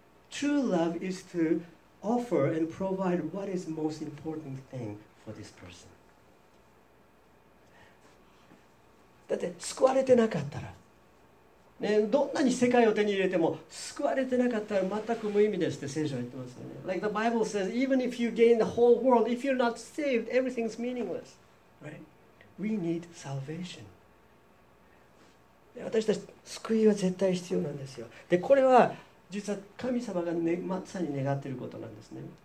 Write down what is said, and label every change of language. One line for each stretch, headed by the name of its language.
English: True love is to offer and provide what is most important thing for this person.
Japanese: だって救われてなかったら、ね、どんなに世界を手に入れても救われてなかったら全く無意味ですって聖書は言ってますよね。
English: Like the Bible says, even if you gain the whole world, if you're not saved, everything's meaningless. Right? We need salvation.
Japanese: 私たち救いは絶対必要なんですよ。で、これは実は神様が、ね、まさに願っていることなんですね。